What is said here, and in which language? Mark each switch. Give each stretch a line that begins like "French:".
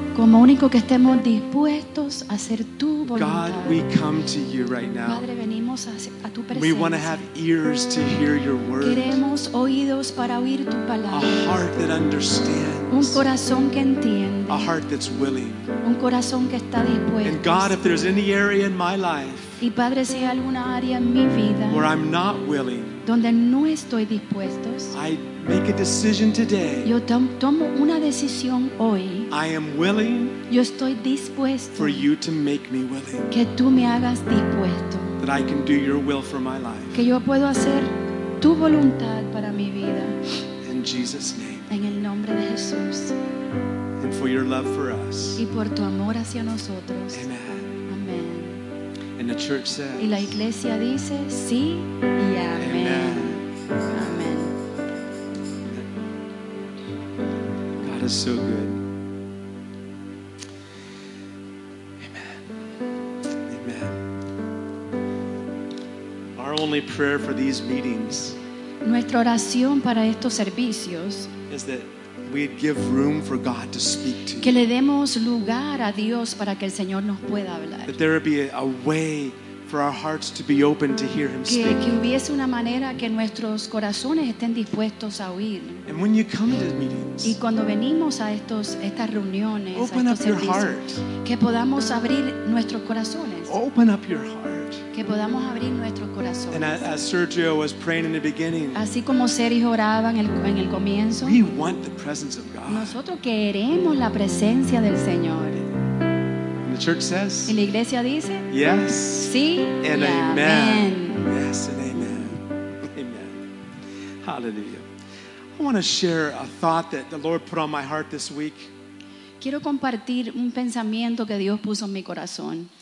Spanish: Como único que estemos dispuestos a hacer tu voluntad.
English: God, we come to you right now.
Spanish: Padre, venimos a tu presencia.
English: We want to have ears to hear your word.
Spanish: Queremos oídos para oír tu palabra.
English: A heart that understands.
Spanish: Un corazón que entiende.
English: A heart that's willing.
Spanish: Un corazón que está dispuesto.
English: And God, if there's any area in my life,
Spanish: y Padre, si hay alguna área en mi vida,
English: where I'm not willing,
Spanish: donde no estoy dispuesto,
English: I make a decision today.
Spanish: Yo tomo una decisión hoy.
English: I am willing.
Spanish: Yo estoy dispuesto.
English: For you to make me willing.
Spanish: Que tú me hagas dispuesto.
English: That I can do your will for my life.
Spanish: Que yo puedo hacer tu voluntad para mi vida.
English: In Jesus' name.
Spanish: En el nombre de Jesús.
English: And for your love for us.
Spanish: Y por tu amor hacia nosotros.
English: Amen. Amen. And the church says.
Spanish: Y la iglesia dice sí y amén.
English: Amen. Is so good. Amen. Amen. Our only prayer for these meetings,
Spanish: nuestra oración para estos servicios,
English: is that we'd give room for God to speak to you.
Spanish: Que le demos lugar a Dios para que el Señor nos pueda hablar.
English: That there would be a way for our hearts to be open to hear Him speak.
Spanish: Que hubiese una manera que nuestros corazones estén dispuestos a oír.
English: And when you come to meetings,
Spanish: y cuando venimos a estas reuniones,
English: open up your heart.
Spanish: Que podamos abrir nuestros corazones.
English: Open up your heart.
Spanish: Que podamos abrir nuestros corazones.
English: And as Sergio was praying in the beginning,
Spanish: así como Sergio oraba en el comienzo,
English: we want the presence of God.
Spanish: Nosotros queremos la presencia del Señor.
English: And the church says,
Spanish: y la iglesia dice,
English: yes,
Spanish: sí,
English: and yeah, amen. Yes, and amen. Amen. Hallelujah. I want to share a thought that the Lord put on my heart this week.
Spanish: Quiero compartir un pensamiento que Dios puso en mi corazón.